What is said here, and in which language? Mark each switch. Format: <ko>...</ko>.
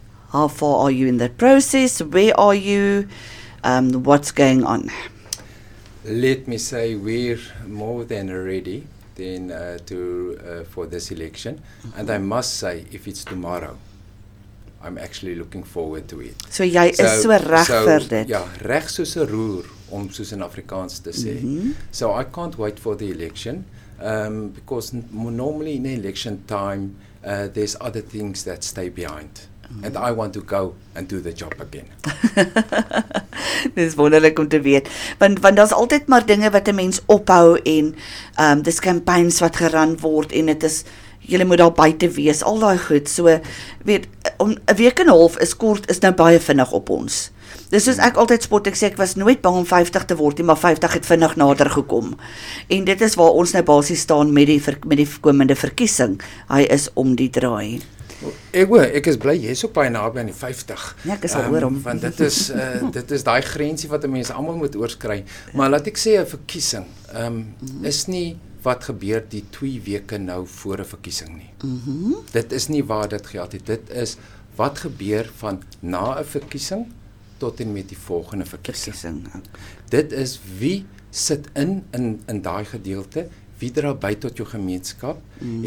<en>How far are you in that process? Where are you? What's going on? Let me say we're more than ready for this election. Mm-hmm. And I must say, if it's tomorrow, I'm actually looking forward to it.</en> <af>So jy is so reg vir dit. Ja, reg soos 'n roer, om soos in Afrikaans te sê.</af> <en>Mm-hmm. So I can't wait for the election. Because normally in election time, there's other things that stay behind. Mm-hmm. And I want to go and do the job again.</en> <af>Dis wonderlik om te weet. Want daar's altyd maar dinge wat 'n mens ophou en dis campaigns wat geran word en dit is, jy moet daar buite wees, al daai goed. So, weet, om 'n week en 'n half is kort, is nou baie vinnig op ons. Dis soos ek altyd spot, ek sê ek was nooit bang om 50 te word nie, maar 50 het vinnig nader gekom. En dit is waar ons nou basies staan met die komende verkiesing. Hy is om die draai. Ek is bly, jy is ook baie naby aan die 50. Ja, ek is al hoor om. Want dit is die grensie wat die mens allemaal moet oorskry. Maar laat ek sê, een verkiesing is nie wat gebeur die 2 weke nou voor een verkiesing nie. Mm-hmm. Dit is nie waar dit geld het. Dit is wat gebeur van na een verkiesing tot en met die volgende verkiesing. Dit is wie sit in daai gedeelte, wie dra by tot jou gemeenskap, mm-hmm.</af>